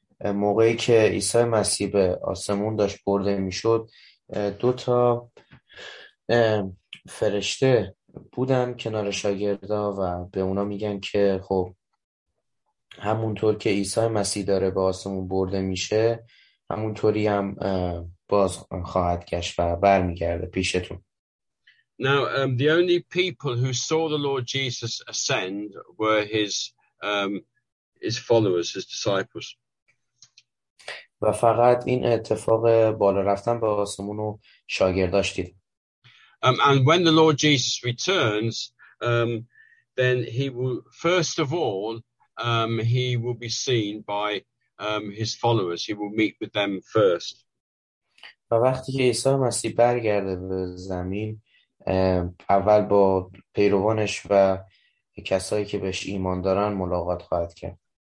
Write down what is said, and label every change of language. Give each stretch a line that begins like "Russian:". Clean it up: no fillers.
Persian: موقعی که عیسی مسیح به آسمون داشت برده میشد، دو تا فرشته بودن کنار شاگردا و به اونا میگن که خب همونطور که عیسی مسیح داره به آسمون برده میشه، همونطوری هم باز خواهد گشت و برمیگرده پیشتون.
English: Now, the only people who saw the Lord Jesus ascend were his followers, his disciples.
Persian: و فقط این اتفاق بالا رفتن به آسمون و شاگرداش دید.
English: And when the Lord Jesus returns, then he will, first of all, he will be seen by his followers. He will meet with them first.
Persian: و وقتی که عیسی مسیح برگرده به زمین، اول با پیروانش و کسایی که بهش ایمان دارن ملاقات خواهد کرد.